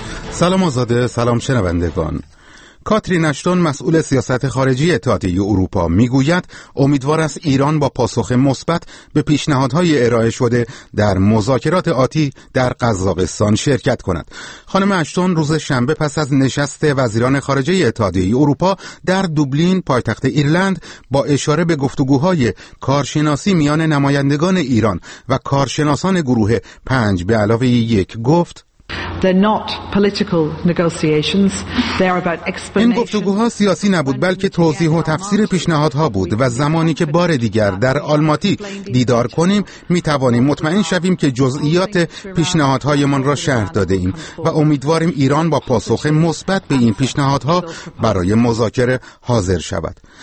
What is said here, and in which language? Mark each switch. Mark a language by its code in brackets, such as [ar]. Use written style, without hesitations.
[fa] سلام آزاده، سلام شنوندگان. کاترین اشتون مسئول سیاست خارجی اتحادیه اروپا میگوید امیدوار است ایران با پاسخ مثبت به پیشنهادهای ارائه شده در مذاکرات آتی در قزاقستان شرکت کند. خانم اشتون روز شنبه پس از نشست وزیران خارجه اتحادیه اروپا در دوبلین پایتخت ایرلند با اشاره به گفتگوهای کارشناسی میان نمایندگان ایران و کارشناسان گروه 5 به علاوه 1 گفت: [en] They're not political negotiations. They are about explanation. [fa] این گفتگوها سیاسی نبود، بلکه توضیح و تفسیر پیشنهادها بود و زمانی که بار دیگر در آلماتی دیدار کنیم می توانیم مطمئن شویم که جزئیات پیشنهادهایمان را شرح داده ایم و امیدواریم ایران با پاسخ مثبت به این پیشنهادها برای مذاکره حاضر شود.